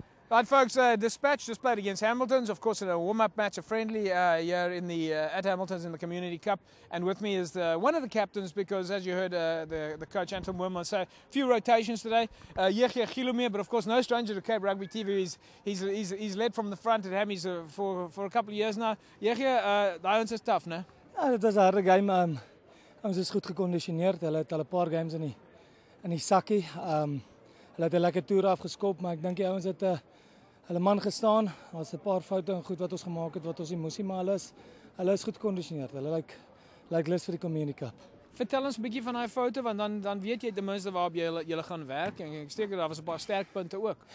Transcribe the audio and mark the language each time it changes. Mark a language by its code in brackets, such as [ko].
[en] Right, folks, Dispatch just played against Hamiltons, of course, in a warm-up match, a friendly here in the at Hamiltons in the Community Cup. And with me is one of the captains, because as you heard the coach, Anton Wormland, say a few rotations today. Yehia Gilumia, but of course, no stranger to Cape Rugby TV. He's led from the front at Hammies for a couple of years now. Yehia, the Irons is tough, no? Yeah, it was a hard game. [af] Ons is goed geconditioneerd. Hulle het al 'n paar games in die sakkie. Hulle het 'n lekker toer afgeskop, maar ek dink die ouens het hulle man gestaan. Daar's 'n paar foute en goed wat ons gemaak het wat ons emosie maar hulle is goed gekondisioneerd. Hulle lyk lus vir die Community Cup. Vertel ons 'n bietjie van daai foute want dan weet jy ten minste waarop jy julle gaan werk en ek steek daar was 'n paar sterkpunte ook.